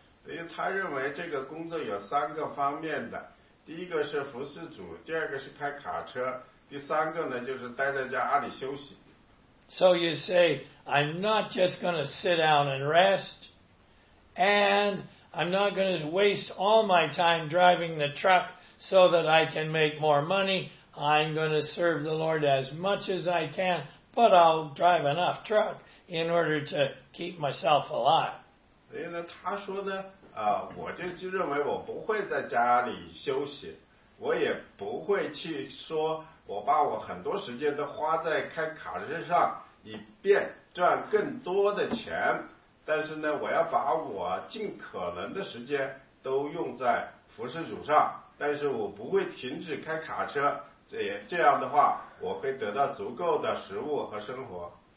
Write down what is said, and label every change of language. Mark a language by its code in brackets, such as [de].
[zh] 所以他认为这个工作有三个方面的，第一个是服侍主，第二个是开卡车，第三个呢就是待在家里休息。 [en] So you say, I'm not just going to sit down and rest, and I'm not going to waste all my time driving the truck so that I can make more money. I'm going to serve the Lord as much as I can, but I'll drive enough truck in order to keep myself alive. [zh] 所以呢，他说呢，我就认为我不会在家里休息，我也不会去说我把我很多时间都花在开卡车上以便赚更多的钱，但是呢我要把我尽可能的时间都用在服侍主上，但是我不会停止开卡车，这样的话我会得到足够的食物和生活。